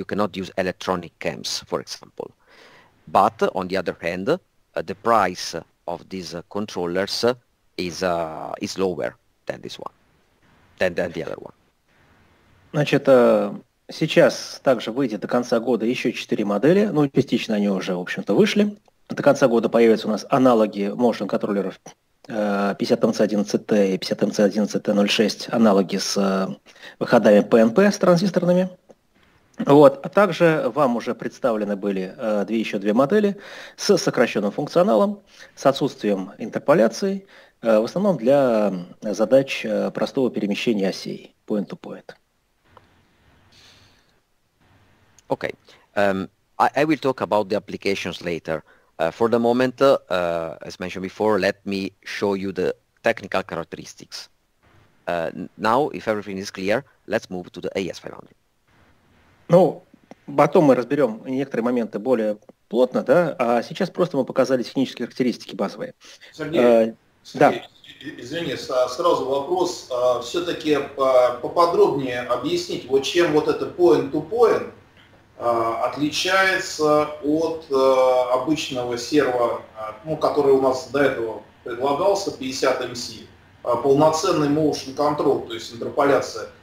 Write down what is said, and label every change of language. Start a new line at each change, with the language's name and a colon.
English: You cannot use electronic cams, for example. But on the other hand, the price of these controllers is lower than this one, than the other one.
Russian: Значит, сейчас также выйдет до конца года еще 4 модели. Ну, частично они уже, в общем-то, вышли. До конца года появятся у нас аналоги motion контроллеров 50MC11T и 50MC11T06, аналоги с выходами PNP с транзисторными. Вот. А также вам уже представлены были еще две модели с сокращенным функционалом, с отсутствием интерполяции, в основном для задач простого перемещения осей point-to-point.
English: Okay. I will talk about the applications later. For the moment, as mentioned before, let me show you the technical characteristics. Now, if everything is clear, let's move to the AS500.
Russian: Ну, потом мы разберем некоторые моменты более плотно, да? А сейчас просто мы показали технические характеристики базовые. Сергей, да. Извини, сразу вопрос. Все-таки поподробнее объяснить, вот чем вот это point-to-point отличается от обычного серва, ну, который у нас до этого предлагался, 50MC, полноценный motion control, то есть интерполяция.